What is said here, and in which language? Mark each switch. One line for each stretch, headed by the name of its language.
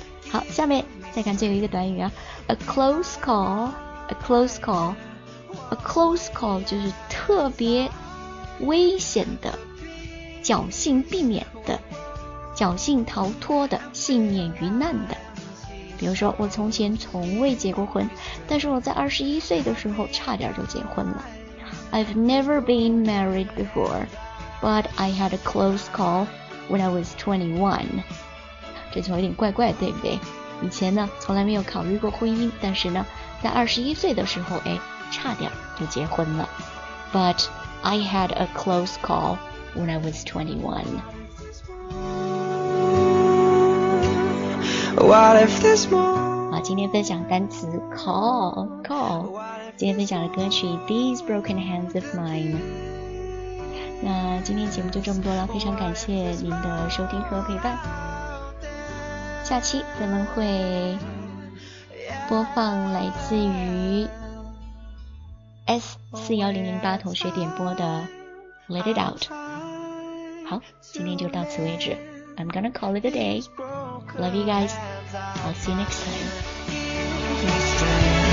Chinese: 好，下面再看最后一个短语啊，
English: a close call, a close call,
Chinese: a close call 就是特别危险的，侥幸避免的，侥幸逃脱的，幸免于难的。比如说我从前从未结过婚，但是我在21岁的时候差点就结婚了。
English: I've never been married before, but I had a close call when I was 21.
Chinese: 这句话有点怪怪，对不对？以前呢从来没有考虑过婚姻，但是呢在21岁的时候，哎，差点就结婚了。
English: But I had a close call when I was 21.
Chinese: 好，今天分享单词 call, 今天分享的歌曲 These Broken Hands of Mine。那今天节目就这么多了，非常感谢您的收听和陪伴，下期咱们会播放来自于 S41008 同学点播的 Let It Out。好，今天就到此为止，
English: I'm gonna call it a day, love you guys,I'll see you next time.